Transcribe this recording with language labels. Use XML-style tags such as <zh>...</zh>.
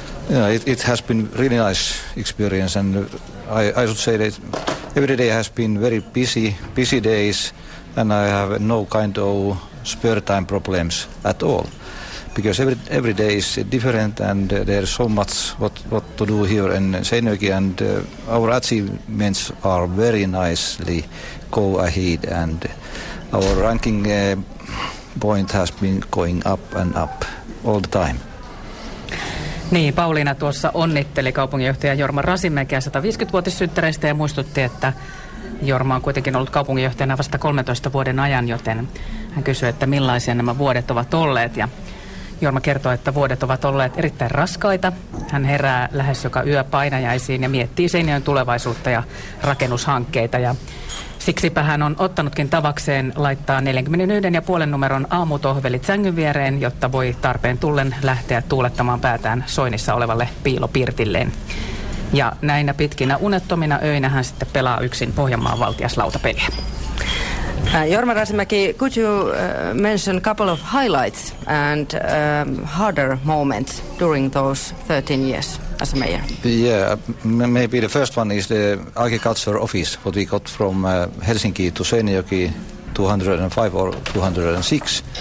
<en>Yeah, it has been really nice experience, and I should say that every day has been very busy days, and I have no kind of spare time problems at all, because every day is different, and there's so much what to do here in Seinäjoki, and our achievements are very nicely go ahead, and our ranking point has been going up and up all the time.</en> <fi>Niin, Pauliina tuossa onnitteli kaupunginjohtaja Jorma Rasinmäkeä 150-vuotissynttäreistä ja muistutti, että Jorma on kuitenkin ollut kaupunginjohtajana vasta 13 vuoden ajan, joten hän kysyi, että millaisia nämä vuodet ovat olleet. Ja Jorma kertoi, että vuodet ovat olleet erittäin raskaita. Hän herää lähes joka yö painajaisiin ja miettii Seinäjoen tulevaisuutta ja rakennushankkeita. Ja siksipä hän on ottanutkin tavakseen laittaa 41,5 numeron aamutohvelit sängyn viereen, jotta voi tarpeen tullen lähteä tuulettamaan päätään soinnissa olevalle piilopirtilleen. Ja näinä pitkinä unettomina öinä hän sitten pelaa yksin Pohjanmaan valtiaslautapeliä.</fi> <en>Jorma Rasinmäki, could you mention a couple of highlights and harder moments during those 13 years as a mayor? Yeah, maybe the first one is the agriculture office, what we got from Helsinki to Seinäjoki 205 or 206.</en>